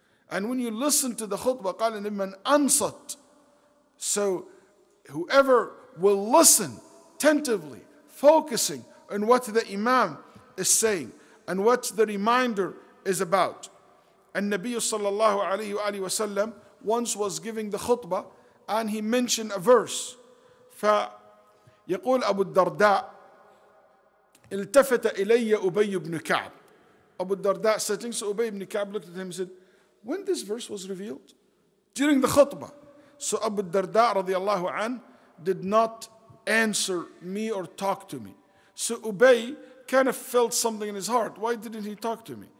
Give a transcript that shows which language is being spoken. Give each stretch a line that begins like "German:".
English: And when you listen to the khutbah,
Arabic: قَالَ لِمَّنْ أَنْصَتْ.
English: So whoever will listen attentively, focusing on what the imam is saying and what the reminder is about. And Nabi sallallahu alayhi wa sallam once was giving the khutbah and he mentioned a verse.
Arabic: فَيَقُولَ أَبُو الدَّرْدَاءِ التفت إلي أبي بن كعب.
English: Abu Darda sitting, so Ubay ibn Ka'b looked at him and said, when this verse was revealed? During the khutbah. So Abu Darda radiallahu an did not answer me or talk to me. So Ubay kind of felt something in his heart. Why didn't he talk to me?